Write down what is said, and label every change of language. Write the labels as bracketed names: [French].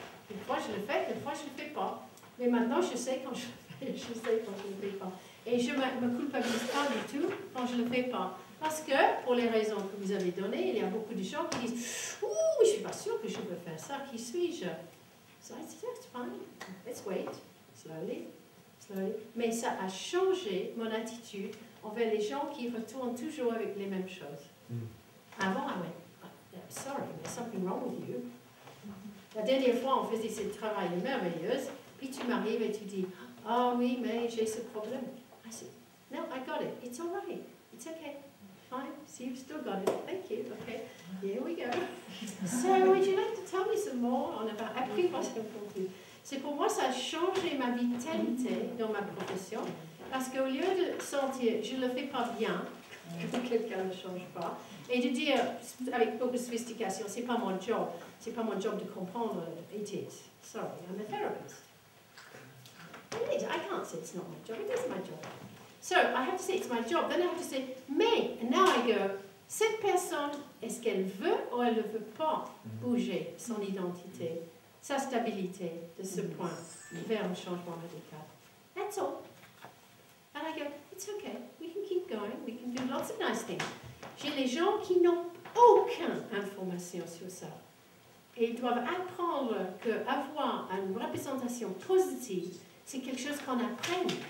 [French] Une fois je le fais, une fois je ne le fais pas. Mais maintenant je sais quand je le fais, je sais quand je ne le fais pas. Et je ne me culpabilise pas du tout quand je ne le fais pas. Parce que, pour les raisons que vous avez données, il y a beaucoup de gens qui disent « Ouh, je ne suis pas sûre que je peux faire ça, qui suis-je ?» [English] So I said, that's fine, let's wait, slowly. [French] Mais ça a changé mon attitude envers les gens qui retournent toujours avec les mêmes choses. Mm. [English] Avant, I went, sorry, there's something wrong with you. [French] La dernière fois, on faisait ce travail merveilleux, puis tu m'arrives et tu dis « Oh oui, mais j'ai ce problème. » [English] I said, no, I got it, it's all right, it's okay. Fine, so you've still got it. Thank you. Okay, here we go. So, would you like to tell me some more on about apprivoiser pour vous? [French] C'est pour moi, ça a changé ma vitalité dans ma profession parce qu'au lieu de sentir je ne le fais pas bien, que quelqu'un ne change pas, et de dire avec beaucoup de sophistication, ce n'est pas mon job, ce n'est pas mon job de comprendre, [English] it is. Sorry, I'm a therapist. Indeed, I can't say it's not my job, it is my job. So, I have to say, it's my job. Then I have to say, [French] mais, [English] and now I go, [French] cette personne, est-ce qu'elle veut ou elle ne veut pas bouger son identité, sa stabilité de ce point vers un changement radical? [English] That's all. And I go, it's okay, we can keep going, we can do lots of nice things. [French] J'ai les gens qui n'ont aucune information sur ça. Et ils doivent apprendre qu'avoir une représentation positive, c'est quelque chose qu'on apprend.